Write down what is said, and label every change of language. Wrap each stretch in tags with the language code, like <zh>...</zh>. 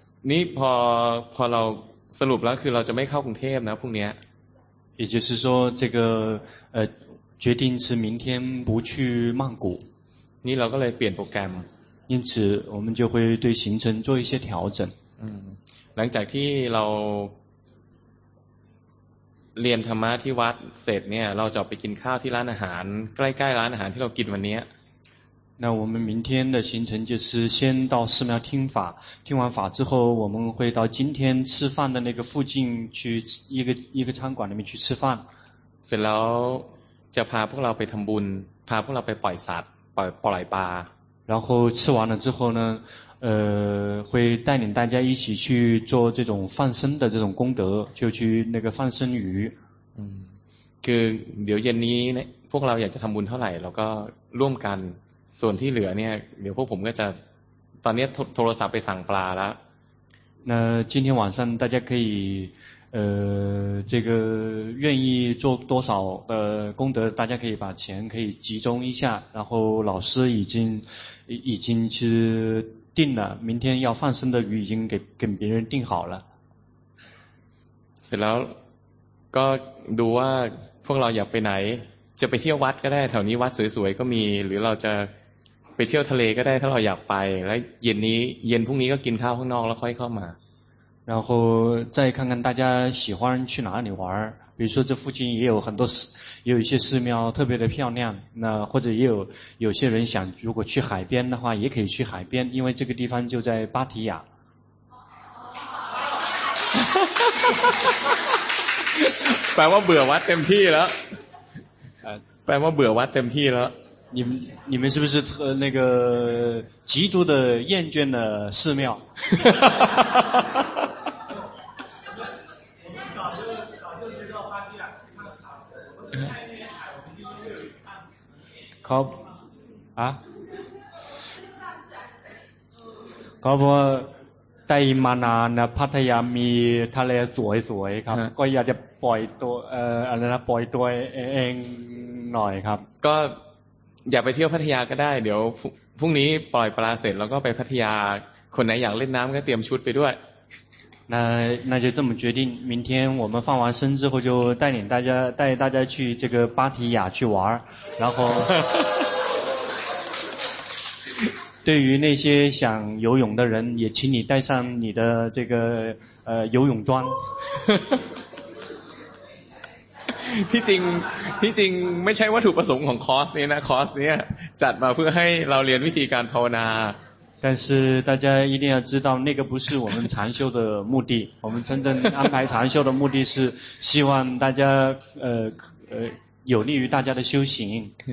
<th>นี่พอเราสรุปแล้วคือเราจะไม่เข้ากรุงเทพนะพรุ่งนี้</th> <zh>也就是说这个决定是明天不去曼谷</zh> <th>นี่เราก็เลยเปลี่ยนโปรแกรม</th> <zh>因此我们就会对行程做一些调整</zh> <th>หลังจากที่เราเรียนธรรมะที่วัดเสร็จเนี่ยเราจะไปกินข้าวที่ร้านอาหารใกล้ๆร้านอาหารที่เรากินวันนี้</th> <zh>那我们明天的行程就是先到寺庙听法听完法之后我们会到今天吃饭的那个附近去一个餐馆里面去吃饭</zh> <th>เสร็จแล้วจะพาพวกเราไปทำบุญพาพวกเราไปปล่อยสัตว์ปล่อยปลา</th> <zh>然后吃完了之后呢会带领大家一起去做这种放生的这种功德就去那个放生鱼</zh> <th>คือเดี๋ยวเย็นนี้พวกเราอยากจะทำบุญเท่าไหร่เราก็ร่วมกันส่วนที่เหลือเนี่ยเดี๋ยวพวกผมก็จะตอนนี้โทรศัพท์ไปสั่งปลาแล้ว</th> <zh>那今天晚上大家可以这个愿意做多少功德大家可以把钱可以集中一下然后老师已经去定了明天要放生的鱼已经给别人定好了</zh> <th>เสร็จแล้วก็ดูว่าพวกเราอยากไปไหนจะไปเที่ยววัดก็ได้แถวนี้วัดสวยๆก็มีหรือเราจะไปเที่ยวทะเลก็ได้ถ้าเราอยากไปแล้วเย็นนี้เย็นพรุ่งนี้ก็กินข้าวข้างนอกแล้วค่อยเข้ามา</th> <zh>然后再看看大家喜欢去哪里玩比如说这附近也有很多也有一些寺庙特别的漂亮那或者也有些人想如果去海边的话也可以去海边因为这个地方就在芭提雅白话เบ玩เต็มที่了白话เบ玩เต็มที่了你们是不是那个极度的厌倦的寺庙</zh> <th>ครับอะครับเพราะได้มานานนะพัทยามีทะเลสวยๆครับก็อยากจะปล่อยตัวอะไรนะปล่อยตัวเองหน่อยครับ ก็อยากไปเที่ยวพัทยาก็ได้เดี๋ยวพรุ่งนี้ปล่อยปลาเสร็จแล้วก็ไปพัทยาคนไหนอยากเล่นน้ำก็เตรียมชุดไปด้วย</th> <zh>那就这么决定明天我们放完生之后就带大家去这个芭提雅去玩然后对于那些想游泳的人也请你带上你的这个游泳装</zh> <th>ที่จริงไม่ใช่วัตถุประสงค์ของคอร์สนี้นะคอร์สนี้จัดมาเพื่อให้เราเรียนวิธีการภาวนา</th> <zh>但是大家一定要知道那个不是我们禅修的目的我们真正安排禅修的目的是希望大家有利于大家的修行</zh>